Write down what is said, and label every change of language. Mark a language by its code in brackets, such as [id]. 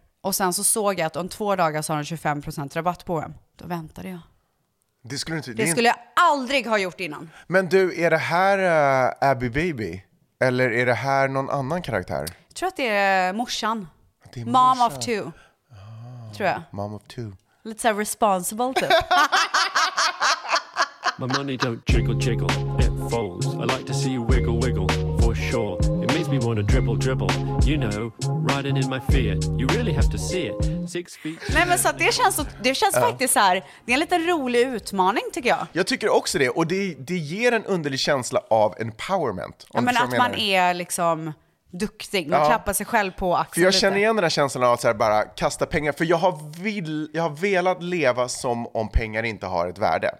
[sv] Och sen så såg jag att om 2 dagar så har de 25% rabatt på H&M. Då väntade jag. Det skulle, inte, det skulle jag aldrig ha gjort innan. Men du, är det här Abby Baby? Eller är det här någon annan karaktär? Jag tror att det är morsan. Det är morsan. [en] Mom of two. [sv] Tror jag. [en] Mom of two. Let's say responsible too. My money don't trickle jiggle, it falls. I like to see you wiggle wiggle, for sure. It makes me want to dribble dribble. You know, riding in my Fiat. You really have to see it. 6 feet. [sv] Nej, men så det känns, faktiskt så här. Det är en lite rolig utmaning tycker jag. Jag tycker också det, och det ger en underlig känsla av empowerment. Ja, men att man är liksom duktig, man klappar sig själv på axeln. För jag känner igen den här känslan av att så här bara kasta pengar, för jag har velat leva som om pengar inte har ett värde.